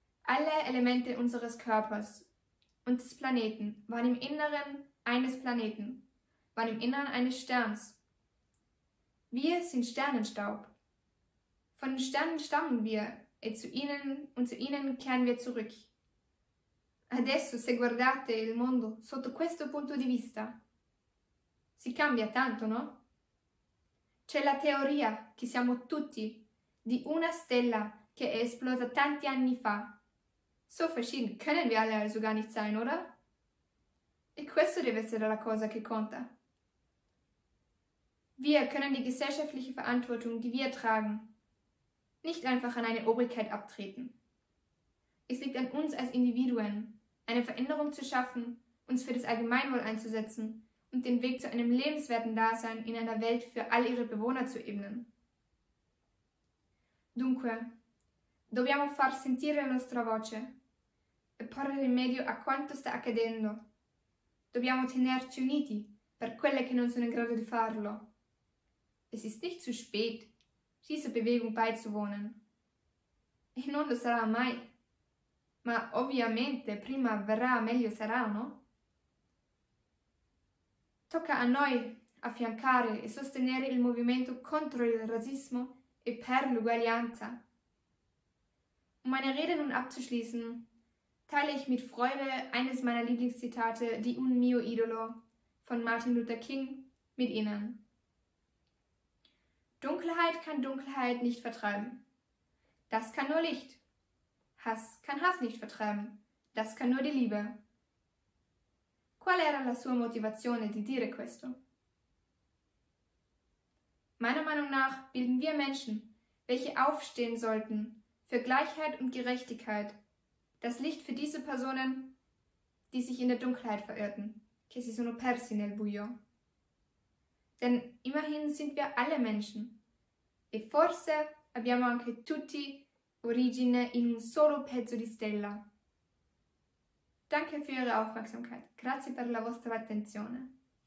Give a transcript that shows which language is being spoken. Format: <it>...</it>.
<de>Alle Elemente unseres Körpers und des Planeten waren im Inneren eines Planeten, waren im Inneren eines Sterns. Wir sind Sternenstaub. Von den Sternen stammen wir, zu ihnen kehren wir zurück.</de> <it>Adesso se guardate il mondo sotto questo punto di vista. Si cambia tanto, no? C'è la teoria che siamo tutti di una stella che è esplosa tanti anni fa.</it> <de>So verschieden können wir alle also gar nicht sein, oder?</de> <it>E questo deve essere la cosa che conta.</it> <de>Wir können die gesellschaftliche Verantwortung, die wir tragen, nicht einfach an eine Obrigkeit abtreten. Es liegt an uns als Individuen, eine Veränderung zu schaffen, uns für das Allgemeinwohl einzusetzen und den Weg zu einem lebenswerten Dasein in einer Welt für all ihre Bewohner zu ebnen.</de> <it>Dunque, dobbiamo far sentire la nostra voce e porre rimedio a quanto sta accadendo. Dobbiamo tenerci uniti per quelle che non sono in grado di farlo.</it> <de>Es ist nicht zu spät, dieser Bewegung beizuwohnen.</de> <it>E non lo sarà mai. Ma ovviamente prima verrà meglio sarà, no? Tocca a noi affiancare e sostenere il movimento contro il razzismo e per l'uguaglianza.</it> <de>Um meine Rede nun abzuschließen, teile ich mit Freude eines meiner Lieblingszitate, die</de> <it>Un mio idolo,</it> <de>von Martin Luther King, mit Ihnen. Dunkelheit kann Dunkelheit nicht vertreiben. Das kann nur Licht. Hass kann Hass nicht vertreiben. Das kann nur die Liebe.</de> <it>Qual era la sua motivazione di dire questo?</it> <de>Meiner Meinung nach bilden wir Menschen, welche aufstehen sollten für Gleichheit und Gerechtigkeit, das Licht für diese Personen, die sich in der Dunkelheit verirrten,</de> <it>che si sono persi nel buio.</it> <de>Denn immerhin sind wir alle Menschen.</de> <it>E forse abbiamo anche tutti origine in un solo pezzo di stella.</it> <de>Danke für Ihre Aufmerksamkeit.</de> <it>Grazie per la vostra attenzione.</it>